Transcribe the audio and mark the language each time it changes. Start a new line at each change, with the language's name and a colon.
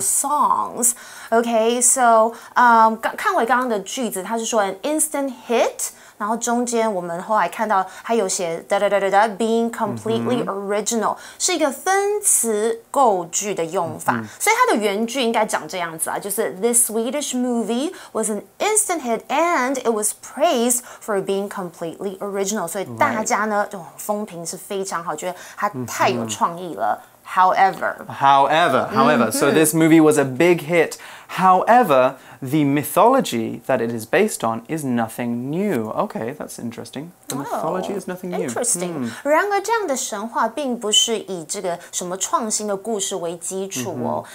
English: songs. Okay, so,
Chinese: 看回刚刚的句子，它是说
English: an instant hit,
Chinese: 然后中间我们后来看到还有些 da-da-da-da-da,
English: being completely、
Chinese: mm-hmm.
English: original,
Chinese: 是一个分词构句的用法。Mm-hmm. 所以它的原句应该长这样子啊，就是
English: this Swedish movie was an instant hit and it was praised for being completely original.
Chinese: 所以大家呢、
English: right.
Chinese: 就风评是非常好，觉得它太有创意了。
English: Mm-hmm. However, so this movie was a big hit. However, the mythology that it is based on is nothing new. Okay, that's interesting. The mythology is nothing new. Interesting.、Mm.
Chinese: 然而这样的神话并不是以这个什么创新的故事为基础哦。